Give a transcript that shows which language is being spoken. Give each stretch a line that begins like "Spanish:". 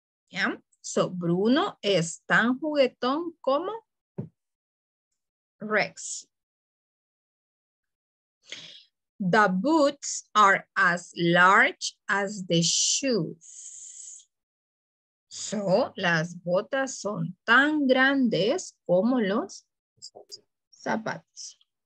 Spanish: Yeah, so Bruno es tan juguetón como Rex.
English: The boots are as large as the shoes.
Spanish: So, las botas son tan grandes como los zapatos.